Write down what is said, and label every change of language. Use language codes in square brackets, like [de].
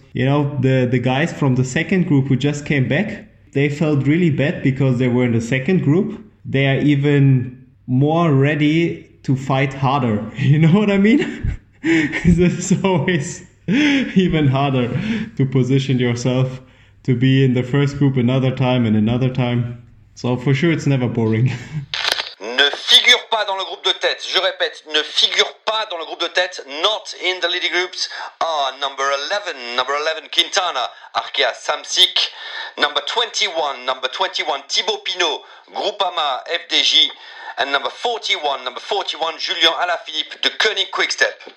[en] You know, the guys from the second group who just came back, they felt really bad because they were in the second group. They are even more ready to fight harder. You know what I mean? It's always even harder to position yourself to be in the first group another time and another time. So for sure, it's never boring. [fr] Ne figure pas dans le groupe de tête. Je répète, ne figure pas dans le groupe de tête. [en] Not in the leading groups are number 11, Quintana, Arkea, Samsic. Number 21, Thibaut Pinot, Groupama, FDJ. And number 41, Julien Alaphilippe, de Koenig Quickstep.